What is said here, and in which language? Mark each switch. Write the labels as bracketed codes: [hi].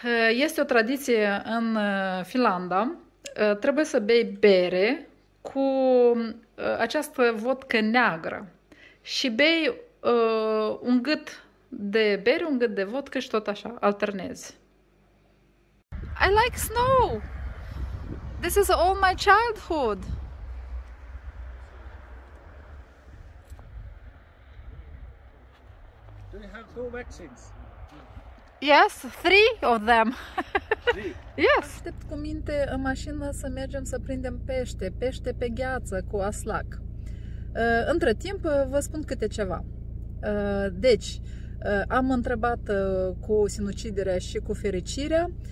[ro] Este o tradiție în Finlanda. Trebuie să bei bere cu această vodcă neagră. Și bei un gât de bere, un gât de vodcă și tot așa, alternezi. [en] I like snow! This is all my childhood! Do you have two vaccines? Yes, three of them! Three? Yes! [ro] Aștept cu minte în mașină să mergem să prindem pește, pește pe gheață cu aslac. Între timp, vă spun câte ceva. Deci, am întrebat cu sinuciderea și cu fericirea.